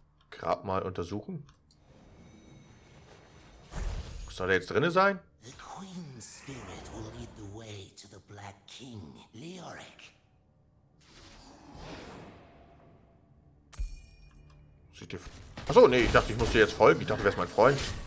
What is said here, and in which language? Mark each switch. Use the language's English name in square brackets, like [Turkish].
[German] Grab mal untersuchen. Soll er jetzt drinne sein? [English] The Queen's Spirit will lead the way to the Black King, Leoric. [German] Achso, nee, ich dachte, ich muss dir jetzt folgen. Ich dachte, du wärst mein Freund.